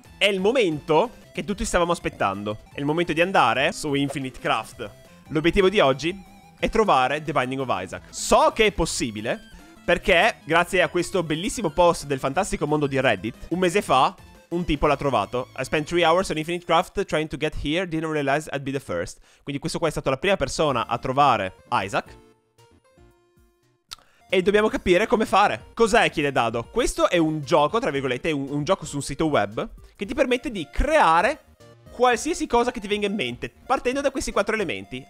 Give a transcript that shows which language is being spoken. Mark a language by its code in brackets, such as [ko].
[it] è il momento che tutti stavamo aspettando. È il momento di andare su Infinite Craft. L'obiettivo di oggi è trovare The Binding of Isaac. So che è possibile, perché grazie a questo bellissimo post del fantastico mondo di Reddit, un mese fa, un tipo l'ha trovato. [en] I spent 3 hours on Infinite Craft trying to get here, didn't realize I'd be the first. [it] Quindi questo qua è stato la prima persona a trovare Isaac. E dobbiamo capire come fare. Cos'è, chiede Dado? Questo è un gioco, tra virgolette, un gioco su un sito web che ti permette di creare qualsiasi cosa che ti venga in mente, partendo da questi 4 elementi.